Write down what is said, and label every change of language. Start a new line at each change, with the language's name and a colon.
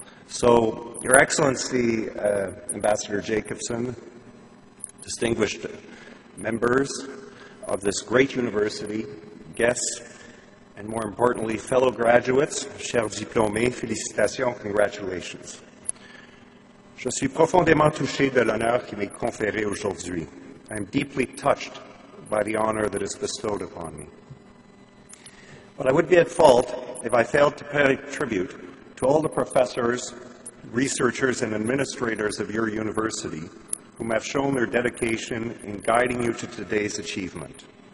English: So, Your Excellency, Ambassador Jacobson, distinguished members of this great university, guests, and more importantly, fellow graduates,
French: chers diplômés, félicitations,
English: congratulations.
French: Je suis profondément touché de l'honneur qui m'est conféré aujourd'hui.
English: I am deeply touched by the honor that is bestowed upon me. But I would be at fault if I failed to pay tribute to all the professors researchers, and administrators of your university whom have shown their dedication in guiding you to today's achievement.